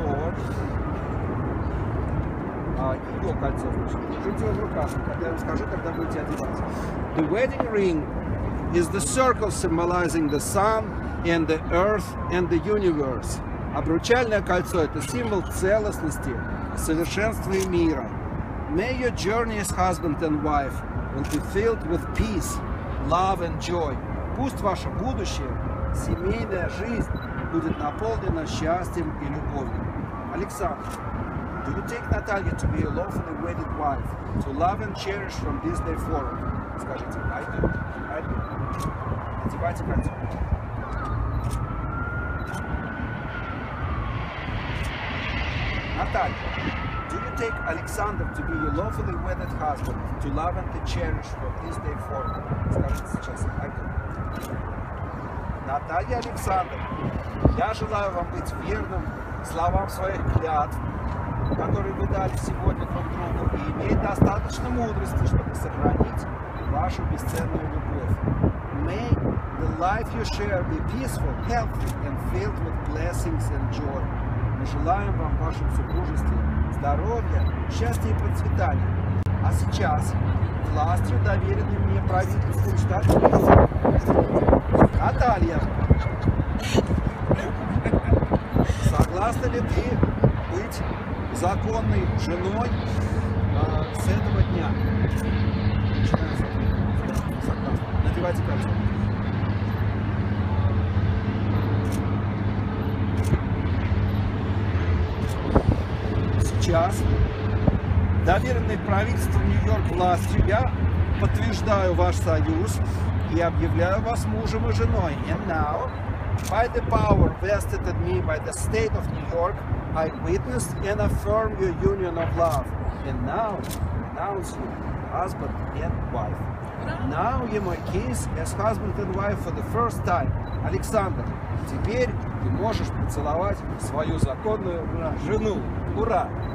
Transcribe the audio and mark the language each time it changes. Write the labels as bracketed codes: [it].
[ru] Его кольцо. Держите его в руках. Когда я вам скажу, когда будете одеваться. [en] The wedding ring is the circle symbolizing the sun and the earth and the universe. [ru] Обручальное кольцо – это символ целостности, совершенства и мира. [en] May your journey as husband and wife will be filled with peace, love and joy. [ru] Пусть ваше будущее, семейная жизнь, будет наполнена счастьем и любовью. [en] Александр, do you take Natalia to be a lawfully wedded wife, to love and cherish from this day forward? [ru] Скажите, [en] I do. I do. [ru] Надевайте кольцо. [en] Наталья, do you take Alexander to be your lawfully wedded husband, to love and to cherish from this day forward? [ru] Скажите сейчас, [en] I do. [ru] Наталья Александр, я желаю вам быть верным словам своих клятв, которые вы дали сегодня друг другу, и иметь достаточно мудрости, чтобы сохранить вашу бесценную любовь. [en] May the life you share be peaceful, healthy and filled with blessings and joy. [ru] Мы желаем вам в вашем супружестве здоровья, счастья и процветания. А сейчас властью доверены мне правительству штата Мэн. Наталья, согласна ли ты быть законной женой с этого дня? Согласна. Надевайте кольцо. Сейчас, доверенной правительству Нью-Йорк властью, я подтверждаю ваш союз. Я объявляю вас мужем и женой. [en] And now, by the power vested in me by the state of New York, I witness and affirm your union of love. And now, I announce you, husband and wife. Now you my kiss as husband and wife for the first time. [ru] Александр, теперь ты можешь поцеловать свою законную жену. Ура!